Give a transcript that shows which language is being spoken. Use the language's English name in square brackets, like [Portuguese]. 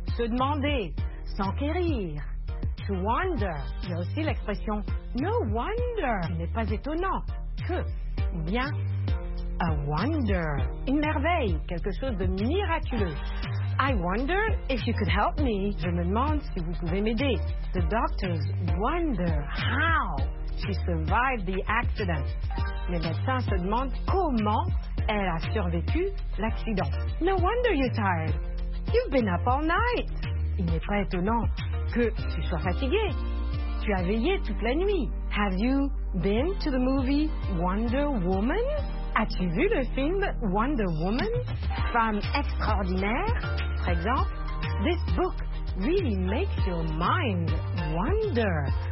[French] Se demander, s'enquérir. [English] To wonder, [French] il y a aussi l'expression [English] no wonder, [French] ce n'est pas étonnant, que, bien, [English] a wonder, [French] une merveille, quelque chose de miraculeux. [English] I wonder if you could help me, [French] je me demande si vous pouvez m'aider. [English] The doctors wonder how she survived the accident. [French] Les médecins se demandent comment elle a survécu l'accident. [English] No wonder you're tired, you've been up all night. [French] Il n'est pas étonnant que tu sois fatigué. Tu as veillé toute la nuit. [English] Have you been to the movie Wonder Woman? [French] As-tu vu le film Wonder Woman? Femme extraordinaire? Par exemple, [English] this book really makes your mind wonder.